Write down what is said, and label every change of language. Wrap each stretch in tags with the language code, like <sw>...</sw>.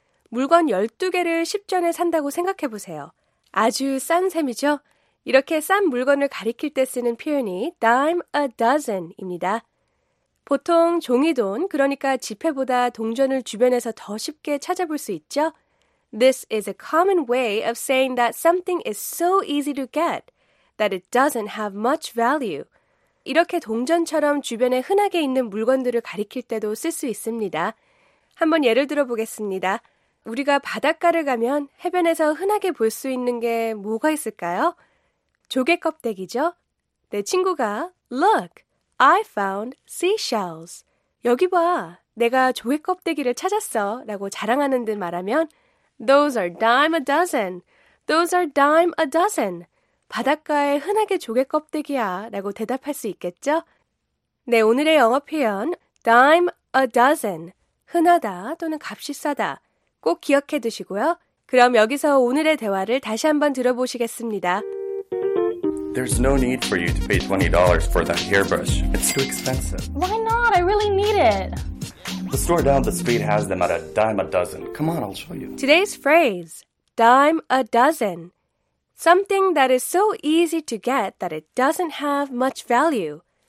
<ko>물건 12개를 10전에 산다고 생각해 보세요. 아주 싼 셈이죠? 이렇게 싼 물건을 가리킬 때 쓰는 표현이 dime a dozen입니다. 보통 종이돈, 그러니까 지폐보다 동전을 주변에서 더 쉽게 찾아볼 수 있죠?</ko> <en>This is a common way of saying that something is so easy to get that it doesn't have much value.</en> <ko>이렇게 동전처럼 주변에 흔하게 있는 물건들을 가리킬 때도 쓸 수 있습니다. 한번 예를 들어보겠습니다. 우리가 바닷가를 가면 해변에서 흔하게 볼 수 있는 게 뭐가 있을까요? 조개껍데기죠? 내 친구가</ko> <en>Look, I found seashells.</en> <ko>여기 봐, 내가 조개껍데기를 찾았어 라고 자랑하는 듯 말하면</ko> <en>Those are dime a dozen. Those are dime a dozen.</en> <ko>바닷가에 흔하게 조개껍데기야 라고 대답할 수 있겠죠? 네, 오늘의 영어 표현 dime a dozen. 흔하다 또는 값이 싸다. 꼭 기억해 두시고요. 그럼 여기서 오늘의 대화를 다시 한번 들어보시겠습니다.</ko> <en>There's no need for you to pay $20 for that hairbrush. It's too expensive. Why not? I really need it. The store down the street has them at a dime a dozen. Come on, I'll show you. Today's phrase, dime a dozen. Something that is so easy to get that it doesn't have much value.</en>